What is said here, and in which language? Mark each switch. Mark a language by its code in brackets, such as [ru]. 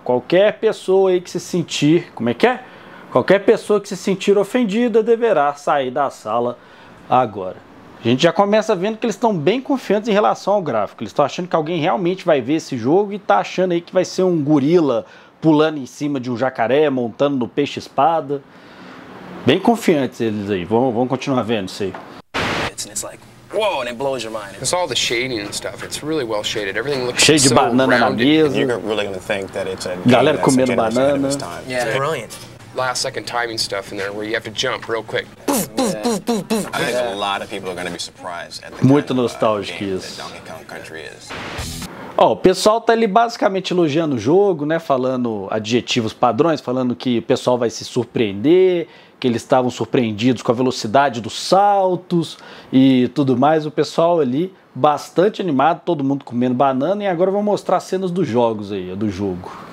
[pt] Qualquer pessoa aí que se sentir... Como é que é? Qualquer pessoa que se sentir ofendida deverá sair da sala agora. A gente já começa vendo que eles estão bem confiantes em relação ao gráfico. Eles estão achando que alguém realmente vai ver esse jogo e está achando aí que vai ser um gorila pulando em cima de um jacaré, montando no peixe-espada. Bem confiantes eles aí. Vamos continuar vendo isso aí. [en] It's like, whoa, and it blows your mind. It's all the shading and stuff. It's really well shaded. Everything looks [pt] cheio de banana na mesa. [en] You're really gonna think that it's a [pt] galera comendo banana. [en] Yeah, it's brilliant. Last second timing stuff in there where you have to jump real quick. Yeah. I think a lot of people are going to be surprised at the [pt] muito nostálgico isso. [en] Donkey Kong Country is. [pt] Ó, o pessoal tá ali basicamente elogiando o jogo, né, falando adjetivos padrões, falando que o pessoal vai se surpreender, que eles estavam surpreendidos com a velocidade dos saltos e tudo mais. O pessoal ali bastante animado, todo mundo comendo banana, e agora eu vou mostrar cenas dos jogos aí, do jogo.